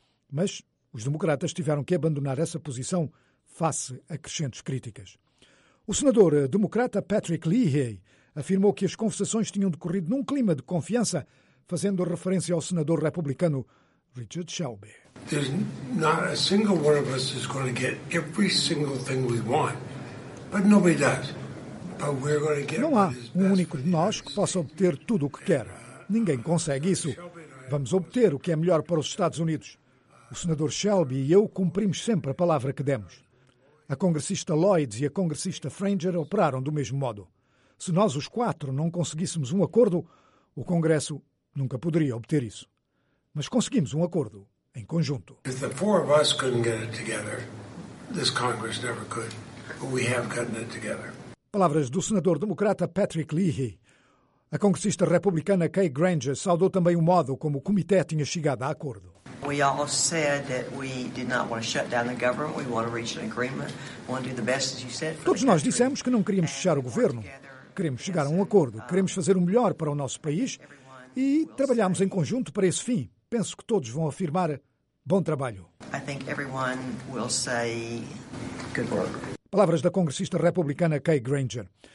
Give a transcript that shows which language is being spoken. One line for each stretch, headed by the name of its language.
Portuguese: Mas os democratas tiveram que abandonar essa posição face a crescentes críticas. O senador democrata Patrick Leahy afirmou que as conversações tinham decorrido num clima de confiança, fazendo referência ao senador republicano Richard Shelby.
English: There's not a single one of us is going to get every single thing we want, but nobody does. But we're going to get.
Portuguese: Não há um único de nós que possa obter tudo o que quer. Ninguém consegue isso. Vamos obter o que é melhor para os Estados Unidos. O senador Shelby e eu cumprimos sempre a palavra que demos. A congressista Lloyds e a congressista Franger operaram do mesmo modo. Se nós, os quatro, não conseguíssemos um acordo, o Congresso nunca poderia obter isso. Mas conseguimos um acordo em conjunto.
English: If the four of us couldn't get it together, this Congress never could. But we have gotten it together.
Portuguese: Palavras do senador democrata Patrick Leahy. A congressista republicana Kay Granger saudou também o modo como o comitê tinha chegado a acordo.
English: We all said that we did not want to shut down the government. We want to reach an agreement. We want to do the best, as you said.
Portuguese: Todos nós dissemos que não queríamos fechar o governo. Queremos chegar a um acordo, queremos fazer o melhor para o nosso país e trabalhamos em conjunto para esse fim. Penso que todos vão afirmar bom trabalho.
English: I think everyone will say good work.
Portuguese: Palavras da congressista republicana Kay Granger.